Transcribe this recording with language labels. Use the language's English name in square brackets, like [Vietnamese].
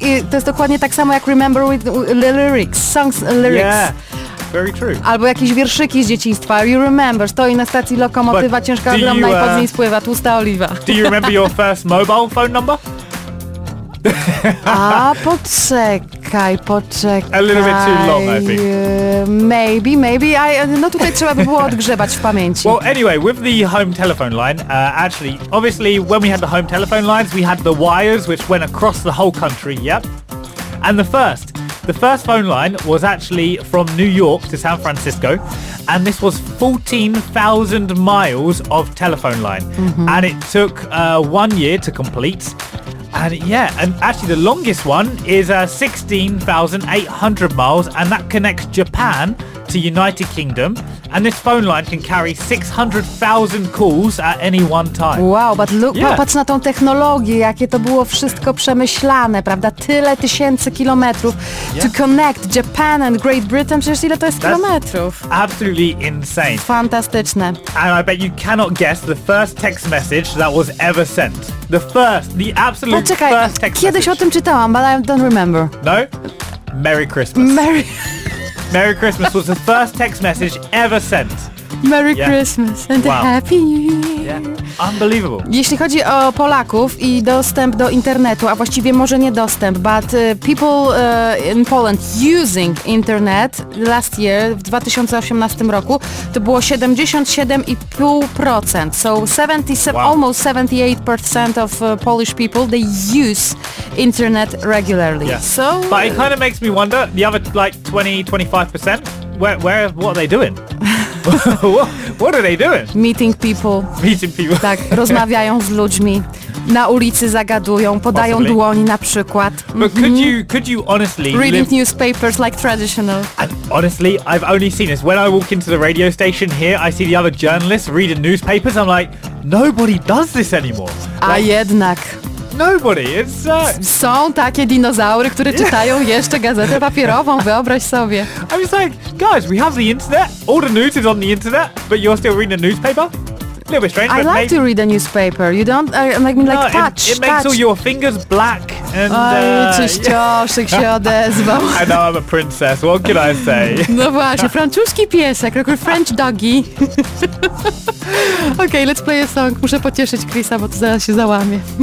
[Polish] To jest dokładnie tak samo jak [English] remember with the lyrics. Songs, lyrics. Yeah. Very true. [Polish] Albo jakieś wierszyki z dzieciństwa. [English] You remember, [Polish] stoi na stacji lokomotywa, [English] but [Polish] ciężka ogromna i pod niej spływa tłusta oliwa. [English] Do you remember your first mobile phone number? [Polish] A poczekaj. [English] A little bit too long, I think. Maybe. [Polish] No tutaj trzeba by było odgrzebać w pamięci. [English] Well, anyway, with the home telephone line, actually, obviously, when we had the home telephone lines, we had the wires, which went across the whole country, yep. And the first phone line was actually from New York to San Francisco, and this was 14,000 miles of telephone line. Mm-hmm. And it took 1 year to complete. And yeah, and actually the longest one is 16,800 miles, and that connects Japan to United Kingdom. And this phone line can carry 600,000 calls at any one time. Wow, but look, yeah. [Polish] Popatrz na tą technologię, jakie to było wszystko przemyślane, prawda? Tyle tysięcy kilometrów, yeah, [English] to connect Japan and Great Britain. [Polish] Przecież ile to jest [English] That's [Polish] kilometrów? [English] Absolutely insane. [Polish] Fantastyczne. [English] And I bet you cannot guess the first text message that was ever sent. The first, the absolute [Polish] Poczekaj, [English] first text [Polish] kiedyś [English] message. [Polish] O tym czytałam, [English] but I don't remember. No? Merry Christmas. Merry Christmas was the first text message ever sent. Merry Christmas and a Happy New Year. Yeah. Unbelievable. [Polish] Jeśli chodzi o Polaków i dostęp do internetu, a właściwie może nie dostęp, [English] but people in Poland using internet last year, [Polish] w 2018 roku, to było 77.5%. [English] So almost 78% of Polish people, they use internet regularly. Yeah. So, but it kind of makes me wonder, the other like 20-25%, what are they doing? What are they doing? Meeting people. [Polish] Tak, rozmawiają z ludźmi. Na ulicy zagadują, podają dłoni na przykład. [English] But could you honestly... Reading newspapers like traditional. And honestly, I've only seen this. When I walk into the radio station here, I see the other journalists reading newspapers. I'm like, nobody does this anymore. [Polish] A jednak... [English] Nobody. It's [Polish] Są takie dinozaury, które czytają jeszcze gazetę papierową, wyobraź sobie. [English] I was like, guys, we have the internet, all the news is on the internet, but you're still reading a newspaper? A little bit strange, I but like maybe... to read a newspaper. You don't like me, like touch. It makes touch. All your fingers black and [Polish] Czyścioszek się odezwał. [English] I know I'm a princess, what can I say? [Polish] No właśnie, francuski piesek, [English] like a French doggy. [Polish] Okay, [English] let's play a song. [Polish] Muszę pocieszyć Chrisa, bo to zaraz się załamie.